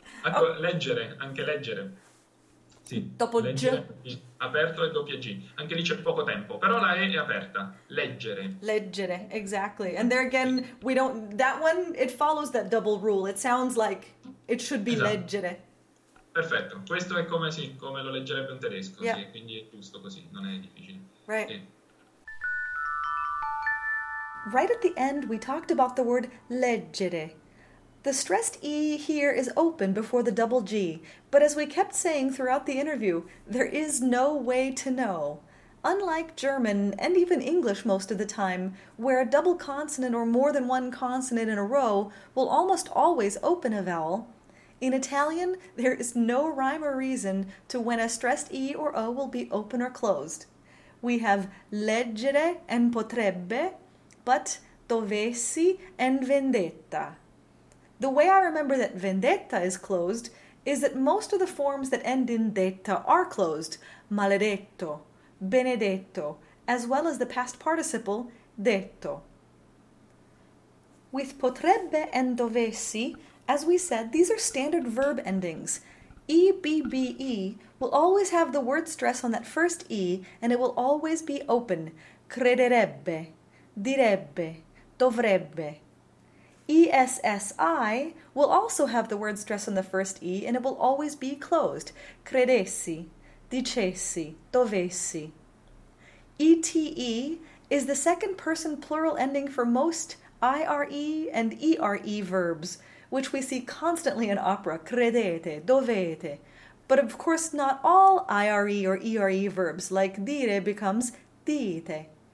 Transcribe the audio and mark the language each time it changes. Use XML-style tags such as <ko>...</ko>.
<it>Ecco, leggere, anche leggere. Sì, leggere, sì. Aperto e doppia G. Anche lì c'è poco tempo, però la E è aperta. Leggere.</it> <en>Leggere, exactly. And there again, we don't, that one, it follows that double rule. It sounds like it should be</en> <it>Esatto. leggere. Perfetto, questo è come, sì, come lo leggerebbe un tedesco, sì, quindi è giusto così, non è difficile.</it> <en>Right.</en> <it>Sì.</it> <en>Right at the end, we talked about the word leggere. The stressed E here is open before the double G, but as we kept saying throughout the interview, there is no way to know. Unlike German and even English most of the time, where a double consonant or more than one consonant in a row will almost always open a vowel, in Italian there is no rhyme or reason to when a stressed E or O will be open or closed. We have leggere and potrebbe, but dovessi and vendetta. The way I remember that vendetta is closed is that most of the forms that end in detta are closed, maledetto, benedetto, as well as the past participle detto. With potrebbe and dovessi, as we said, these are standard verb endings. E-B-B-E will always have the word stress on that first E, and it will always be open. Crederebbe, direbbe, dovrebbe. E-S-S-I will also have the word stress on the first E, and it will always be closed. Credessi, dicessi, dovessi. E-T-E is the second person plural ending for most I-R-E and E-R-E verbs, which we see constantly in opera. Credete, dovete. But of course, not all I-R-E or E-R-E verbs, like dire, becomes dite.</en>